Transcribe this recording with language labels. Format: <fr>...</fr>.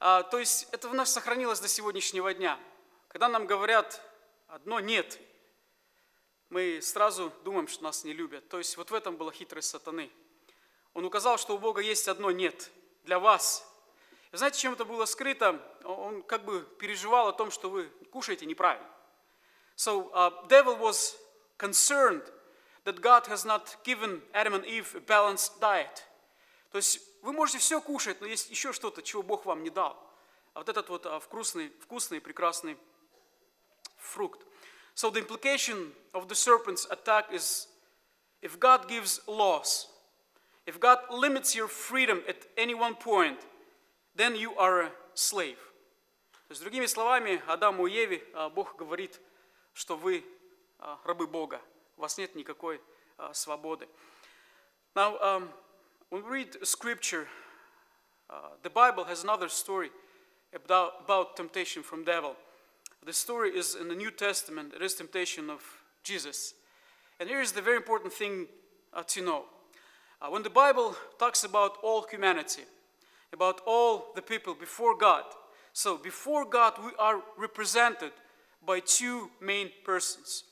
<ru>То есть это в нас сохранилось до сегодняшнего дня. Когда нам говорят одно «нет», мы сразу думаем, что нас не любят. То есть вот в этом была хитрость сатаны. Он указал, что у Бога есть одно «нет» для вас. И знаете, чем это было скрыто? Он как бы переживал о том, что вы кушаете неправильно.</ru> <en>So, devil was concerned that God has not given Adam and Eve a balanced diet.</en> <ru>То есть вы можете все кушать, но есть еще что-то, чего Бог вам не дал. А вот этот вот вкусный, прекрасный фрукт.</ru> <en>So the implication of the serpent's attack is, if God gives laws, if God limits your freedom at any one point, then you are a slave.</en> <ru>То есть другими словами, Адаму и Еве Бог говорит, что вы рабы Бога. У вас нет никакой свободы.</ru> <en>Now, when we read scripture, the Bible has another story about temptation from devil. The story is in the New Testament. It is temptation of Jesus. And here is the very important thing to know. When the Bible talks about all humanity, about all the people before God, so before God we are represented by two main persons.</en>